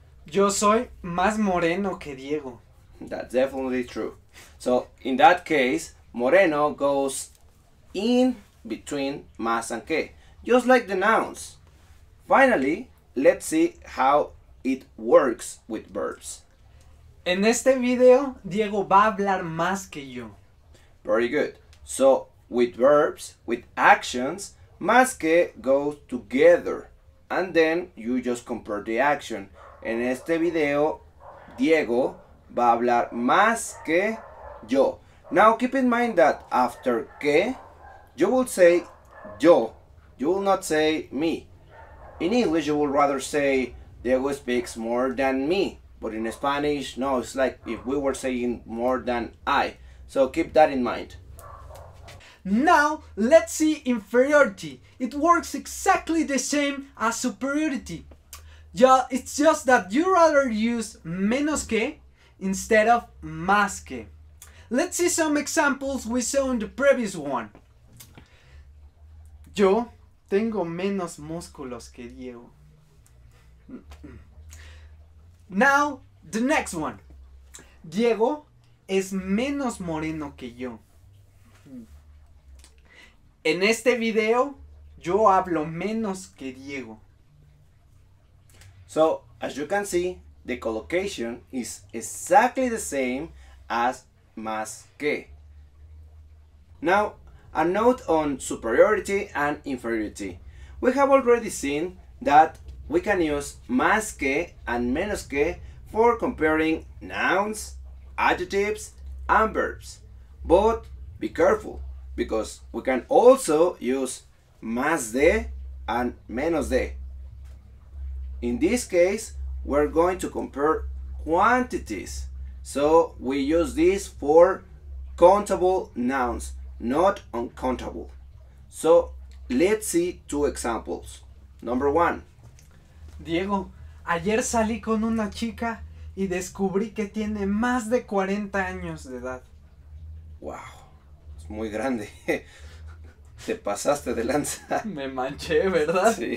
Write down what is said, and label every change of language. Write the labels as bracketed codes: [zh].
[es] Yo soy más moreno que Diego. [en] That's definitely true. So, in that case, moreno goes in between más and que, just like the nouns. Finally, let's see how it works with verbs. [es] En este video, Diego va a hablar más que yo. [en] Very good. So, with verbs, with actions, más que goes together. And then you just compare the action. [es] En este video, Diego va a hablar más que yo. [en] Now, keep in mind that after que, you will say yo. You will not say me. In English, you will rather say Diego speaks more than me. But in Spanish, no, it's like if we were saying more than I. So, keep that in mind. Now, let's see inferiority. It works exactly the same as superiority. Yeah, it's just that you rather use menos que instead of más que. Let's see some examples we saw in the previous one. [es] Yo tengo menos músculos que Diego. [en] Now, the next one. [es] Diego es menos moreno que yo. En este video, yo hablo menos que Diego. [en] So, as you can see, the collocation is exactly the same as más que. Now, a note on superiority and inferiority. We have already seen that we can use más que and menos que for comparing nouns, adjectives, and verbs. But be careful, because we can also use más de and menos de. In this case, we're going to compare quantities. So we use this for countable nouns, not uncountable. So let's see 2 examples. Number 1. [es] Diego, ayer salí con una chica y descubrí que tiene más de 40 años de edad. Wow. Muy grande. Te pasaste de lanza. Me manché, ¿verdad?